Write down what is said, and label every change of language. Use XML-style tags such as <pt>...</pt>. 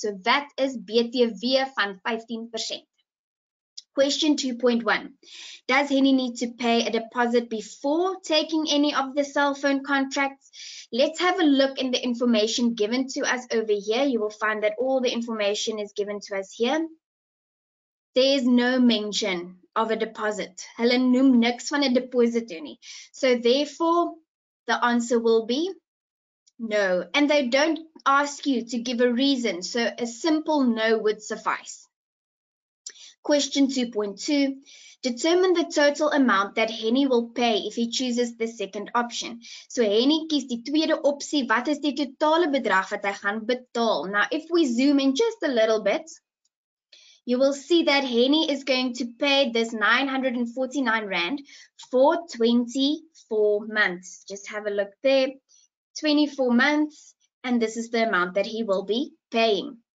<en>So VAT is</en> <af>BTW van 15%.</af> <en>Question 2.1. Does Henny need to pay a deposit before taking any of the cell phone contracts? Let's have a look in the information given to us over here. You will find that all the information is given to us here. There is no mention of a deposit.</en> <af>Hulle noem niks van 'n deposit nie.</af> <en>So therefore, the answer will be no. And they don't ask you to give a reason, so a simple no would suffice. Question 2.2, determine the total amount that Henny will pay if he chooses the second option.</en> <af>So Henny kies die tweede opsie, wat is die totale bedrag wat hy gaan betaal?</af> <en>Now, if we zoom in just a little bit, you will see that Henny is going to pay this 949 Rand for 24 months. Just have a look there. 24 months, and this is the amount that he will be paying.</en>